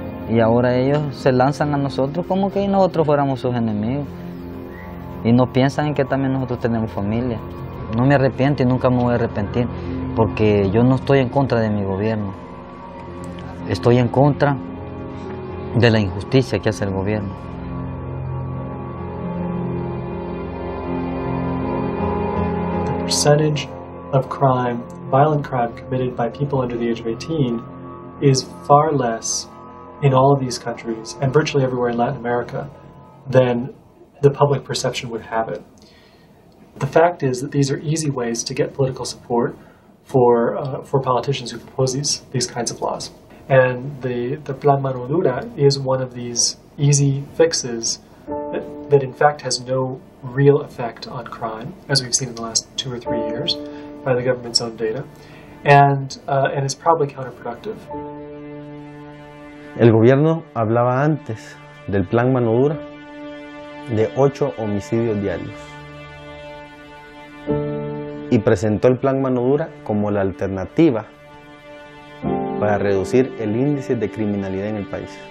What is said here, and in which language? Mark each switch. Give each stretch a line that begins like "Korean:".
Spanish: Y ahora ellos se lanzan a nosotros como que nosotros fuéramos sus enemigos. Y no piensan en que también nosotros tenemos familia. No me arrepiento y nunca me voy a arrepentir, porque yo no estoy en contra de mi gobierno. Estoy en contra de la injusticia que hace el gobierno.
English: The percentage of crime, violent crime, committed by people under the age of 18 is far less in all of these countries and virtually everywhere in Latin America than the public perception would have it. The fact is that these are easy ways to get political support for politicians who propose these kinds of laws. And the Plan Mano Dura is one of these easy fixes that in fact has no real effect on crime, as we've seen in the last two or three years by the government's own data, and it's probably counterproductive.
Spanish: El gobierno hablaba antes del plan Mano Dura de 8 homicidios diarios y presentó el plan Mano Dura como la alternativa para reducir el índice de criminalidad en el país.